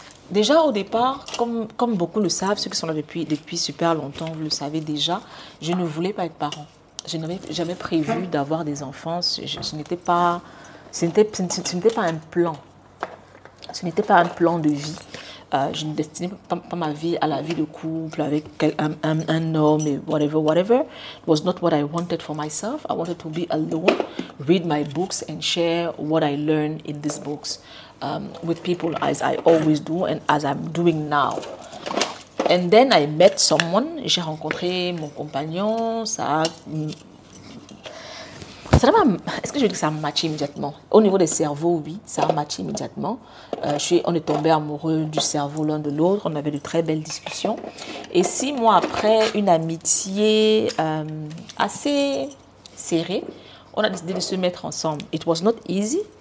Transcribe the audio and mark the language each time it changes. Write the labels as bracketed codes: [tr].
[fr] Déjà au départ, comme beaucoup le savent, ceux qui sont là depuis super longtemps, vous le savez déjà, je ne voulais pas être parent. Je n'avais jamais prévu d'avoir des enfants. Je n'étais pas Ce n'était pas un plan. Ce n'était pas un plan de vie. Je ne destinais pas ma vie à la vie de couple avec un homme et [en] whatever, whatever. It was not what I wanted for myself. I wanted to be alone, read my books and share what I learned in these books with people as I always do and as I'm doing now. And then I met someone. [fr] J'ai rencontré mon compagnon. Est-ce que je veux dire que ça a matché immédiatement? Au niveau des cerveaux, oui, ça a matché immédiatement. On est tombé amoureux du cerveau l'un de l'autre. On avait de très belles discussions. Et 6 mois après, une amitié assez serrée, on a décidé de se mettre ensemble. [en] It was not easy.